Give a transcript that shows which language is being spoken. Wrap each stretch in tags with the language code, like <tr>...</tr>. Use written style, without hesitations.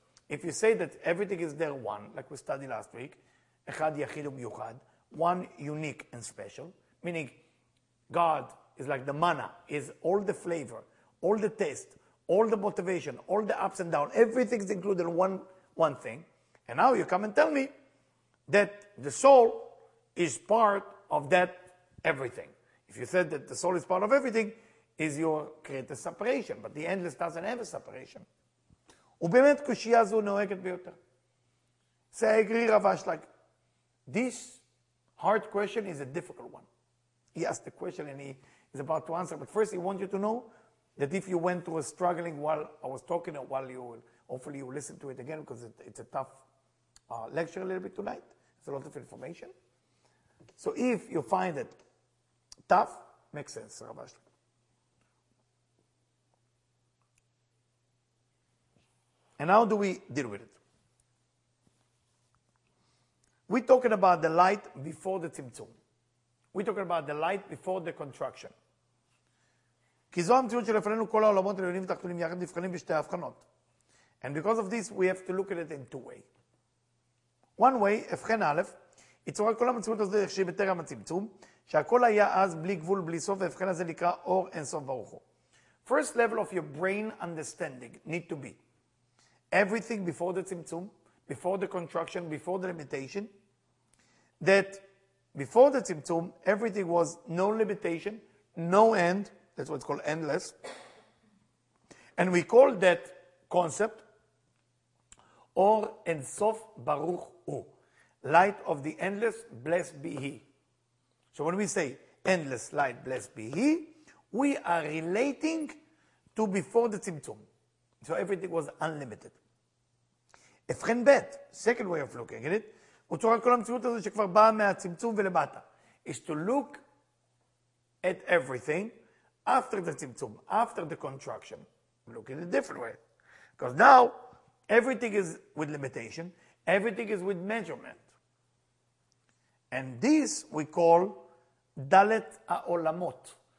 <en>If you say that everything is there one, like we studied last week,</en> <he>echad yachid u'miyuchad,</he> <en>one unique and special, meaning God is like the manna, is all the flavor, all the taste, all the motivation, all the ups and downs, everything is included in one thing. And now you come and tell me that the soul is part of that everything. If you said that the soul is part of everything, is your create a separation, but the endless doesn't have a separation.</en> <he>ובאמת קושייה זו נוהגת ביותר.</he> <en>Say, I agree, Rav Ashlag. This hard question is a difficult one. He asked the question and he is about to answer. But first, he wants you to know that if you went through a struggling while I was talking, while you, hopefully you will listen to it again because it's a tough lecture a little bit tonight. It's a lot of information. So if you find it tough, makes sense, Rav Ashlag. And how do we deal with it? We're talking about the light before the Tzimtzum. We're talking about the light before the contraction.</en> <he>כי זו המציאות שלפנינו כל העולמות העליונים ותחתונים יחד נבחנים בשתי הבחנות.</he> <en>And because of this, we have to look at it in two ways. One way,</en> <he>הבחן א', היא צורה כל המציאות הזאת איך שהיא בטרם הצמצום, שהכל היה אז בלי גבול, בלי סוף, והבחן הזה נקרא אור אין סוף ברוך הוא.</he> <en>First level of your brain understanding need to be. Everything before the Tzimtzum, before the contraction, before the limitation, that before the Tzimtzum, everything was no limitation, no end, that's what's called endless. And we call that concept,</en> <he>Or En Sof Baruch Hu,</he> <en>light of the endless, blessed be He. So when we say endless light, blessed be He, we are relating to before the Tzimtzum. So everything was unlimited.</en> <he>הבחן ב',</he> <en>second way of looking at it,</en> <he>הוא צורת כל המציאות הזו שכבר באה מהצמצום ולמטה.</he> <en>Is to look at everything after the צמצום, after the contraction. Look in a different way. Because now, everything is with limitation, everything is with measurement. And this we call</en> <he>דלת העולמות.</he>